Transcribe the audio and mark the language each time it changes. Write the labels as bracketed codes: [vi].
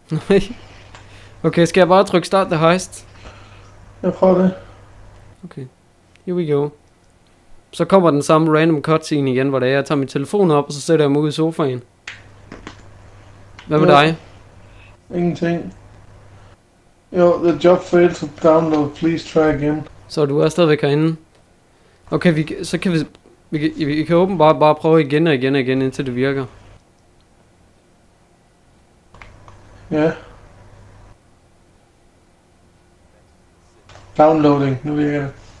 [da] Nej. Okay, skal jeg bare trykke start the heist? Jeg prøver det. [en] Okay, here we go. [da] Så kommer den samme random cutscene igen, hvor det er, jeg tager min telefon op, og så sætter jeg mig ud i sofaen. Hvad med dig? Ingenting. [en] Jo, the job failed to download, please try again. [da] Så du er stadigvæk herinde? Okay, vi kan åbenbart bare prøve igen og igen og igen, indtil det virker. Ja. Downloading, nu virker det.